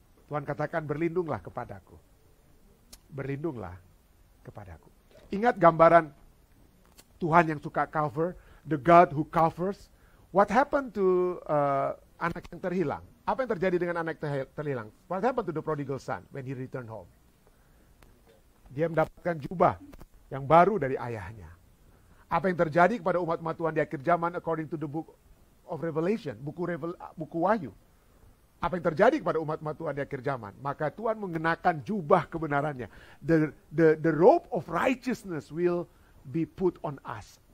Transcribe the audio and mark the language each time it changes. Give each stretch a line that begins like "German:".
Indonesian: Tuhan katakan, berlindunglah kepadaku. Berlindunglah kepadaku. Ingat gambaran Tuhan yang suka cover,
English: the God who covers. What happened to
Indonesian: anak yang terhilang? Apa yang terjadi dengan anak terhilang?
English: What happened to the prodigal son when he returned home?
Indonesian: Dia mendapatkan jubah yang baru dari ayahnya. Apa yang terjadi kepada umat-umat Tuhan di akhir zaman
English: according to the book of Revelation,
Indonesian: buku Wahyu. Apa yang terjadi kepada umat-umat Tuhan di akhir zaman? Maka Tuhan mengenakan jubah kebenarannya.
English: The robe of righteousness will be put on us.